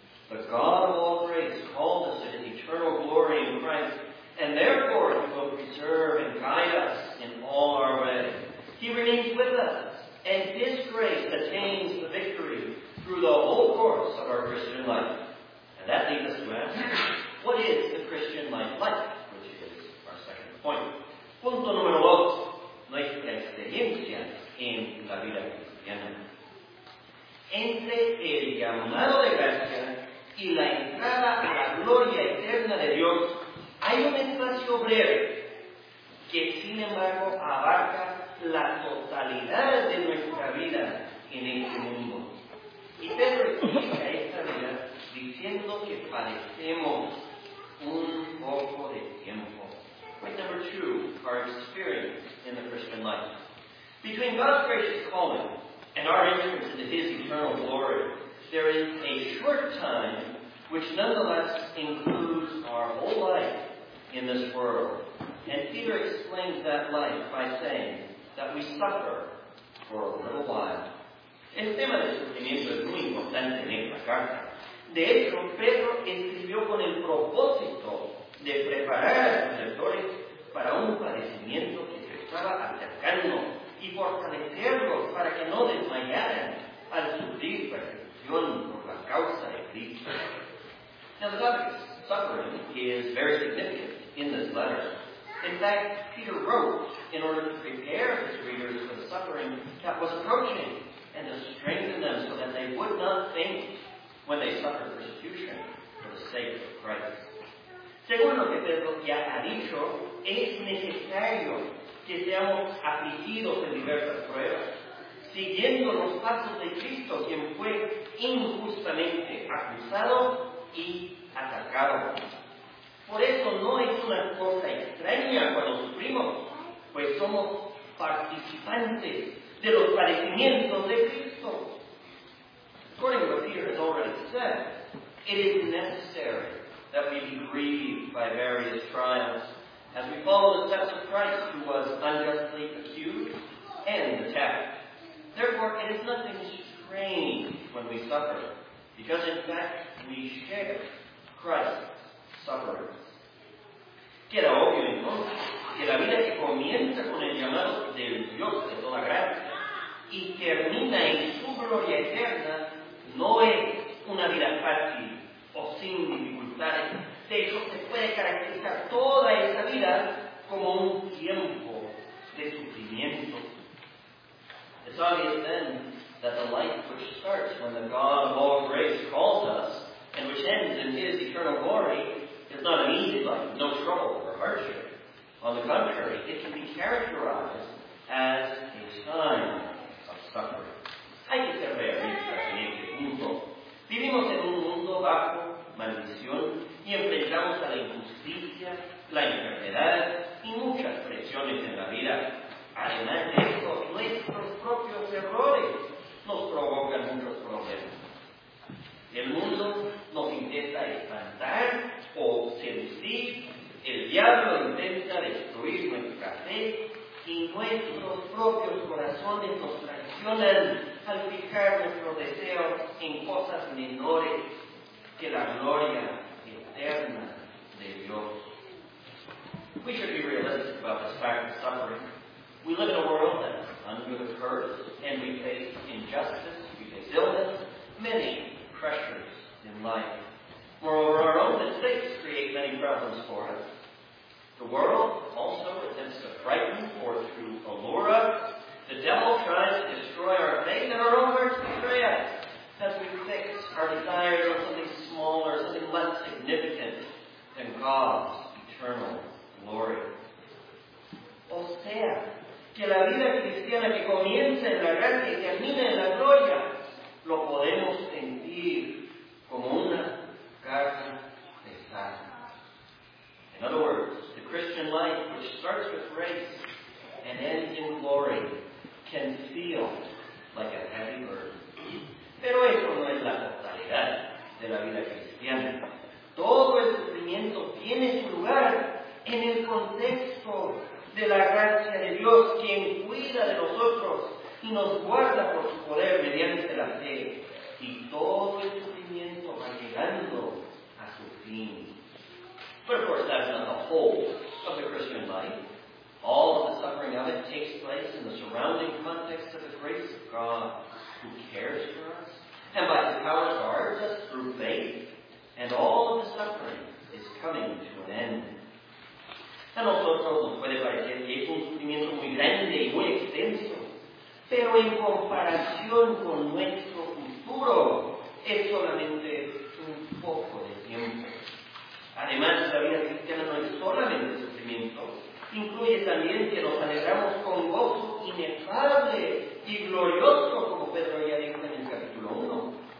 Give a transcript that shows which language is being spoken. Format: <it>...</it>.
<en>The God of all grace called us into eternal glory in Christ, and therefore He will preserve and guide us in all our ways. He remains with us, and His grace attains the victory through the whole course of our Christian life. And that leads us to ask, what is the Christian life like? Which is our second point.</en> <es>Punto número dos, nuestra experiencia en la vida cristiana. Entre el llamado de gracia y la entrada a la gloria eterna de Dios, hay un espacio breve que, sin embargo, abarca la totalidad de nuestra vida en este mundo. Y Pedro explica esta vida diciendo que padecemos un poco de tiempo.</es> <en>Point number two, our experience in the Christian life. Between God's gracious calling and our entrance into His eternal glory, there is a short time which nonetheless includes our whole life in this world. And Peter explains that life by saying that we suffer for a little while.</en> <es>Este tema de sufrimiento es muy importante en esta carta. De hecho, Pedro escribió con el propósito de preparar a sus lectores para un padecimiento que se estaba acercando y fortalecerlos para que no desmayaran al sufrir persecución por la causa de Cristo.</es> <en>Now, the topic of suffering is very significant in this letter. In fact, Peter wrote in order to prepare his readers for the suffering that was approaching and to strengthen them so that they would not faint when they suffer persecution for the sake of Christ.</en> <es>Según lo que Pedro ya ha dicho, es necesario que seamos afligidos en diversas pruebas, siguiendo los pasos de Cristo, quien fue injustamente acusado y atacado. Por eso no es una cosa extraña cuando sufrimos, pues somos participantes de los padecimientos de Cristo.</es> <en>According to what Peter has already said, it is necessary that we be grieved by various trials as we follow the steps of Christ who was unjustly accused and attacked. Therefore, it is nothing strange. pain when we suffer, because in fact we share Christ's sufferings.</en> <es>Que era obvio entonces que la vida que comienza con el llamado del Dios de toda gracia y termina en su gloria eterna no es una vida fácil o sin dificultades. De hecho, se puede caracterizar toda esa vida como un tiempo de sufrimiento.</es> <en>It's obvious then that the life which starts when the God of all grace calls us and which ends in His eternal glory is not an easy life, no trouble or hardship. On the contrary, it can be characterized as a time of suffering.</en> <es>Hay que ser realistas en este punto. Vivimos en un mundo bajo maldición y enfrentamos a la injusticia, la enfermedad y muchas presiones en la vida. Además de eso, nuestros propios errores nos provocan muchos problemas. El mundo nos intenta espantar o seducir, el diablo intenta destruir nuestra fe y nuestros propios corazones nos traicionan al fijar nuestro deseo en cosas menores que la gloria eterna de Dios.</es> <en>We should be realistic about this fact of suffering. We live in a world that is under the curse, and we face injustice, we face illness, many pressures in life. Moreover, our own mistakes create many problems for us. The world also attempts to frighten or to allure us. The devil tries to destroy our faith, and our own hearts betray us as we fix our desires on something smaller, something less significant than God's eternal glory.</en> <es>O sea, que la vida cristiana que comienza en la gracia y termina en la gloria lo podemos sentir como una carga pesada.</es> <en>In other words, the Christian life which starts with grace and ends in glory can feel like a heavy burden.</en> <es>Pero eso no es la totalidad de la vida cristiana. Todo el sufrimiento tiene su lugar en el contexto de la gracia de Dios, quien cuida de nosotros y nos guarda por su poder mediante la fe. Y todo el sufrimiento va llegando a su fin.</es> <en>But of course, that's not the whole of the Christian life. All of the suffering of it takes place in the surrounding context of the grace of God, who cares for us, and by His power guards us through faith, and all of the suffering is coming to an end.</en> <es>A nosotros nos puede parecer que es un sufrimiento muy grande y muy extenso, pero en comparación con nuestro futuro, es solamente un poco de tiempo. Además, la vida cristiana no es solamente sufrimiento, incluye también que nos alegramos con gozo inefable y glorioso, como Pedro ya dijo en el capítulo 1.</es>